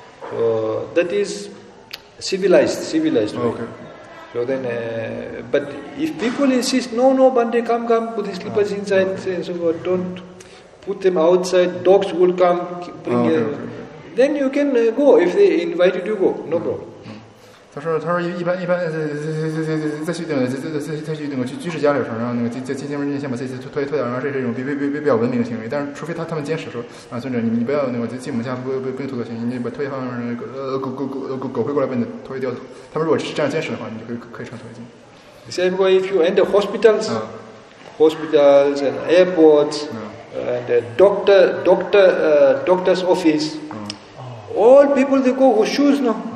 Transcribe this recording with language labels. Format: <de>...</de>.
<en>So that is civilized way. Okay. So then, but if people insist, no, Bande, come, put the slippers inside, okay. And so forth, don't put them outside, dogs will come, bring them. Okay. Then you can go, if they invited you, go, no problem.</en> <zh>他说一般在居室家里的时候，然后那个进先把这些脱掉，然后这是一种比较文明的行为。但是除非他们坚持说啊，尊者你不要那个进我们家不用脱掉鞋，你把拖鞋放那个狗会过来把你拖鞋叼走。他们如果是这样坚持的话，你就可以穿拖鞋进。</zh> <en>Same way, if you enter hospitals and airports and doctor's office, all people they go with shoes now.</en>